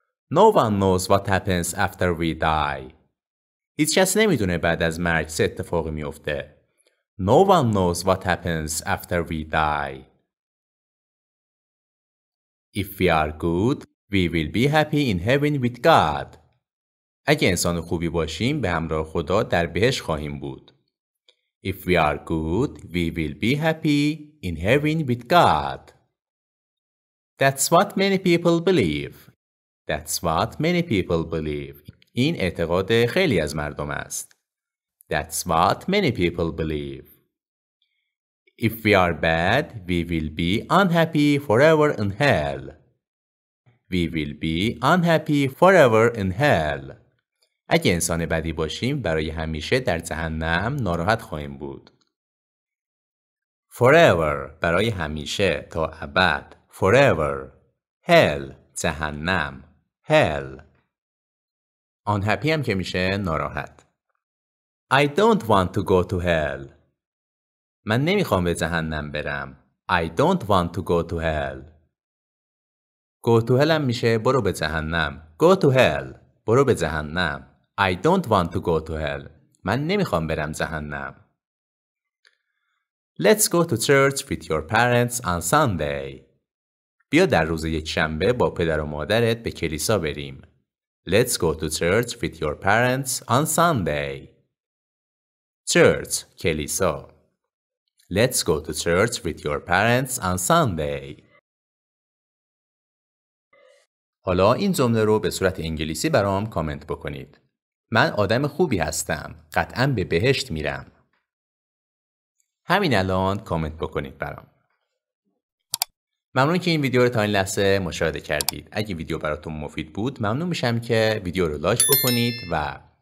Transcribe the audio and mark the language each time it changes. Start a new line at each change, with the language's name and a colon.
English: No one knows what happens after we die.
Persian: هیچ کس نمیدونه بعد از مرگ چه اتفاقی میفته.
English: No one knows what happens after we die. If we are good, we will be happy in heaven with God.
Persian: اگه انسان خوبی باشیم به همراه خدا در بهشت خواهیم بود.
English: If we are good, we will be happy in heaven with God. That's what many people believe. That's what many people believe.
Persian: این اعتقاد خیلی از مردم است.
English: That's what many people believe. If we are bad, we will be unhappy forever in hell. We will be unhappy forever in hell.
Persian: اگه انسان بدی باشیم برای همیشه در جهنم ناراحت خواهیم بود. Forever برای همیشه تا ابد.
English: Forever. Hell جهنم. Hell.
Persian: Unhappy هم که میشه ناراحت.
English: I don't want to go to hell.
Persian: من نمیخوام به جهنم برم.
English: I don't want to go to hell. Go to hell
Persian: هم میشه برو به جهنم.
English: Go to hell.
Persian: برو به جهنم.
English: I don't want to go to hell.
Persian: من نمیخوام برم جهنم.
English: Let's go to church with your parents on Sunday.
Persian: بیا در روز یکشنبه با پدر و مادرت به کلیسا بریم.
English: Let's go to church with your parents on Sunday. Church کلیسا. Let's go to church with your parents on Sunday.
Persian: حالا این جمله رو به صورت انگلیسی برام کامنت بکنید. من آدم خوبی هستم. قطعاً به بهشت میرم. همین الان کامنت بکنید برام. ممنون که این ویدیو رو تا این لحظه مشاهده کردید. اگه ویدیو براتون مفید بود، ممنون میشم که ویدیو رو لایک بکنید و